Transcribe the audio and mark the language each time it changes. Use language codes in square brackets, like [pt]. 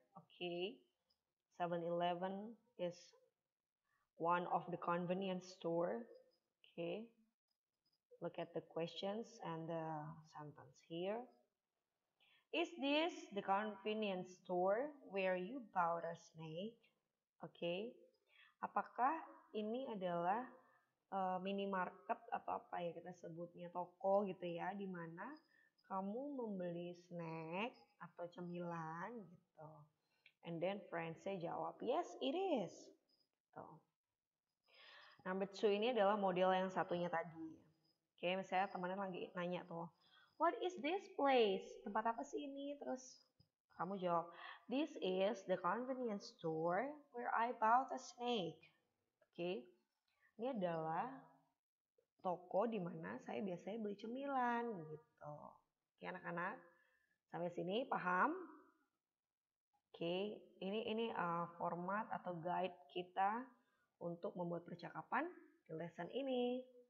[en] Okay, 7-Eleven is one of the convenience store. Okay, look at the questions and the sentence here. Is this the convenience store where you bought a snake? Okay. [id] Apakah ini adalah minimarket atau apa ya kita sebutnya toko gitu ya, di mana kamu membeli snack atau cemilan gitu. [en] And then friends [id] saya jawab, [en] "Yes, it is." Gitu. [id] Number 2 ini adalah model yang satunya tadi. Oke, okay, misalnya temannya lagi nanya tuh, [en] what is this place? [id] Tempat apa sih ini? Terus kamu jawab, [en] this is the convenience store where I bought a snake. Oke. Okay. [id] Ini adalah toko di mana saya biasanya beli cemilan gitu. Oke, okay, anak-anak. Sampai sini paham? Oke, okay. Ini format atau guide kita untuk membuat percakapan di lesson ini.